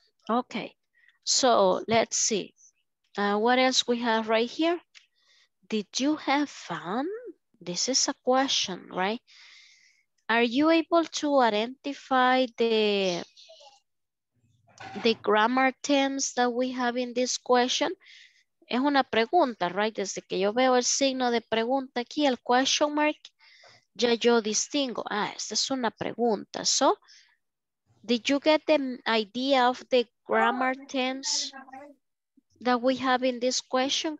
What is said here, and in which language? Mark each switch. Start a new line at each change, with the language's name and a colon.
English: Okay, so let's see. What else we have right here? Did you have fun? This is a question, right? Are you able to identify the the grammar terms that we have in this question.
Spanish: Es una pregunta, right? Desde que yo veo el signo de pregunta aquí, el question mark, ya yo distingo. Ah, esta es una pregunta.
English: So, did you get the idea of the grammar terms that we have in this question?